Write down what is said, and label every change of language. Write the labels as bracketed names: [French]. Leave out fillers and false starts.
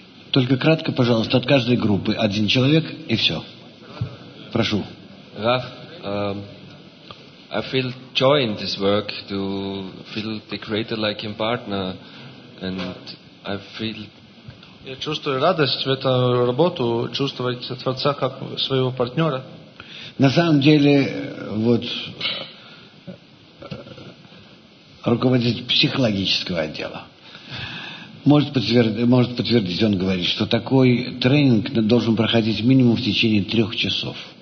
[Russian] Только кратко, пожалуйста, от каждой группы один человек и все. Прошу. [English] Раф, I feel joy in this work to feel the Creator like a partner, and I feel. [Russian] Я чувствую радость в эту работу чувствовать Творца как своего партнера. На самом деле, вот руководитель психологического отдела. Может подтвердить, он говорит, что такой тренинг должен проходить минимум в течение 3 часов.